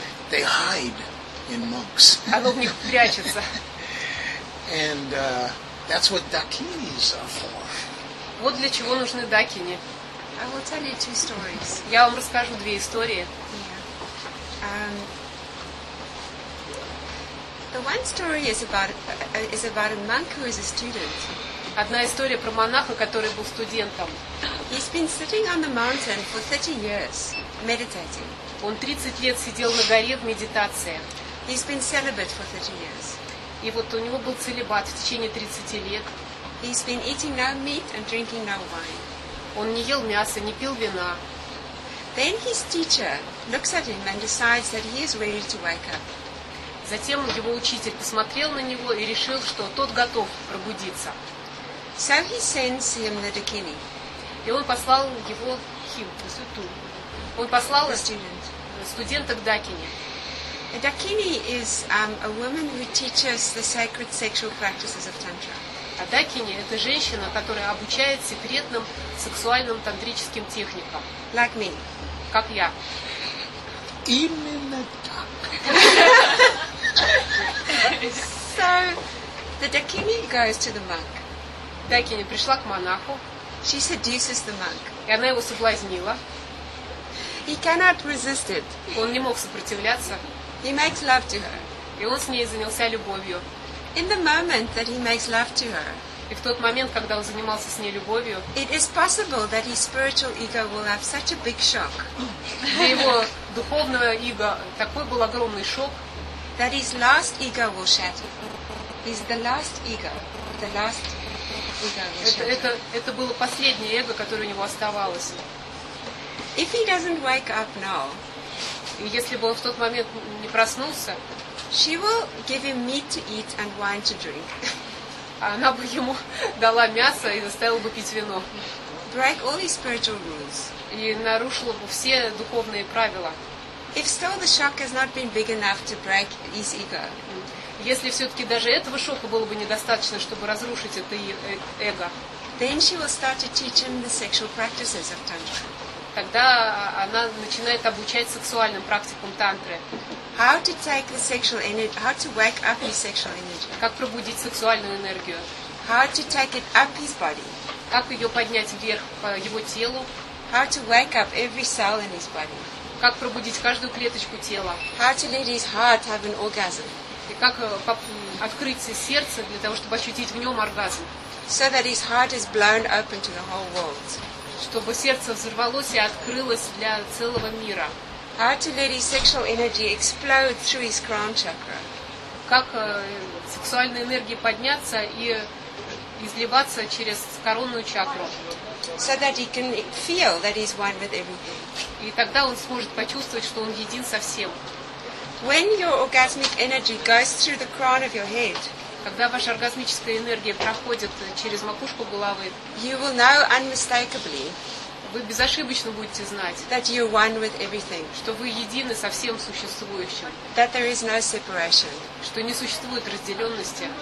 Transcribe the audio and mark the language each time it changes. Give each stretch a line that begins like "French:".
English: They hide in monks.
Russian: Оно в них прячется.
English: And that's what dakinis are for.
Russian: Вот для чего нужны дакини.
English: I will tell you two stories.
Russian: Я вам расскажу две истории.
English: The one story is about a monk who is a student.
Russian: Одна история про монаха, который был студентом.
English: He's been sitting on the mountain for 30 years, meditating.
Russian: Он 30 лет сидел на горе в медитации.
English: He's been celibate for 30 years.
Russian: И вот у него был целибат в течение 30 лет.
English: He's been eating no meat and drinking no wine.
Russian: Он не ел мяса, не пил вина.
English: Then his teacher looks at him and decides that he is ready to wake up.
Russian: Затем его учитель посмотрел на него и решил, что тот готов пробудиться.
English: So he sends him the dakini.
Russian: И он послал его сюту. Он послал студента к дакини.
English: A dakini is a woman who teaches the sacred sexual practices of tantra.
Russian: А дакини – это женщина, которая обучает секретным сексуальным тантрическим техникам.
English: Like me.
Russian: Как я. Именно так.
English: So, the dakini goes to the monk.
Russian: Дакини пришла к монаху.
English: She seduces the monk.
Russian: И она его соблазнила.
English: He cannot resist it.
Russian: Он не мог сопротивляться.
English: He makes love to her.
Russian: И он с ней занялся любовью.
English: In the moment that he makes love to her.
Russian: И в тот момент, когда он занимался с ней любовью,
English: it is possible that his spiritual ego will have such a big shock.
Russian: Для его духовного эго такой был огромный шок.
English: That his last ego will shatter. Is the last ego. The last ego will shatter.
Russian: Это было последнее эго, которое у него оставалось.
English: If he doesn't wake up now,
Russian: и если бы он в тот момент не проснулся,
English: she will give him meat to eat and wine to drink.
Russian: Она бы ему дала мясо и заставила бы пить вино.
English: Break all his spiritual rules.
Russian: И нарушила бы все духовные правила.
English: If still the shock has not been big enough to break his ego.
Russian: Если все-таки даже этого шока было бы недостаточно, чтобы разрушить это эго.
English: Then she will start to teach him the sexual practices of tantra.
Russian: Тогда она начинает обучать сексуальным практикам тантры.
English: How to take the sexual energy? How to wake up his sexual energy?
Russian: Как пробудить сексуальную энергию?
English: How to take it up his body?
Russian: Как ее поднять вверх по его телу?
English: How to wake up every cell in his body?
Russian: Как пробудить каждую клеточку тела?
English: How to let his heart have an orgasm?
Russian: И как открыть сердце для того, чтобы ощутить в нем оргазм?
English: So that his heart is blown open to the whole world.
Russian: Чтобы сердце взорвалось и открылось для целого мира.
English: How to let his sexual energy explode through his crown chakra?
Russian: Как сексуальной энергии подняться и изливаться через коронную чакру.
English: So that he can feel that he's one with everything.
Russian: И тогда он сможет почувствовать, что он един со всем.
English: When your orgasmic energy goes through the crown of your head,
Russian: когда ваша оргазмическая энергия проходит через макушку головы,
English: you will know unmistakably,
Russian: вы безошибочно будете знать,
English: that you're one with everything,
Russian: что вы едины со всем существующим,
English: that there is no separation,
Russian: что не существует разделенности,